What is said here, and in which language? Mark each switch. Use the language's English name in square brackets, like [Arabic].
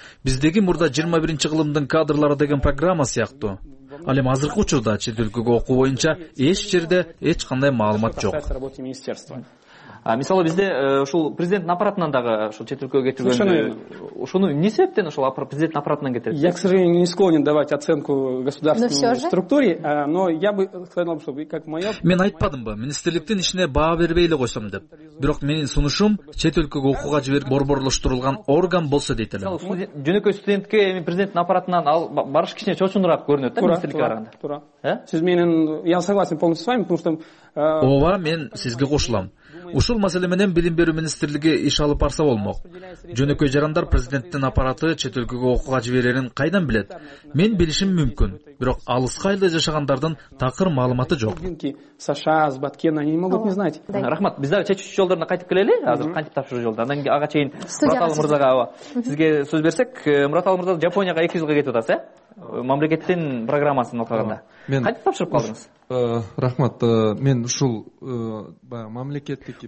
[Kyrgyz] Биздеги мурда 21-чи кылымдын кадрлары деген программа сыяктуу. Ал эми азыркы учурда чет өлкөгө окуу боюнча эч жерде эч кандай маалымат жок. Мисалы бизде ушул президенттин аппаратынан дагы ушул чет өлкөгө кетирген, ошону эмне себептен ушул президенттин аппаратынан кетирет? [Russian] Я, к сожалению, не склонен давать оценку государственной структуре, но я бы сказал, что как моё. [Kyrgyz] Мен айтпадымбы, министрликтин ишине баа бербей эле койсом деп. Бирок менин сунушум чет өлкөгө окууга жиберип борборлоштурулган орган болсо дейт элем. Жөнөкөй студентке эми президенттин аппаратынан ал барыш кичине чочундураак көрүнөт да министрликке караганда. Туура. Сиз менен, [Russian] я согласен полностью с вами, потому что [Kyrgyz] ооба, мен сизге кошулам. Ушул маселе менен билим берүү министрлиги иш алып барса болмок. Жөнөкөй жарандар президенттин аппараты чет өлкөгө окууга жиберерин кайдан билет? Мен билишим мүмкүн, бирок алыска элде жашагандардын такыр маалыматы жок. [Russian] США, Збаткен, они не могут не знать. [Kyrgyz] Рахмат, биз дагы чечүү жолдоруна кайтып келели, азыр кантип тапшыруу жолдору. Анан ага чейин Мураталы мырзага сизге сөз берсек, Мураталы мырза Жапонияга 2 жылга кетип атасыз, э? Мамлекеттин программасын окуганда. Кантип тапшырып калдыңыз? Рахмат, мен ушул мамлекеттик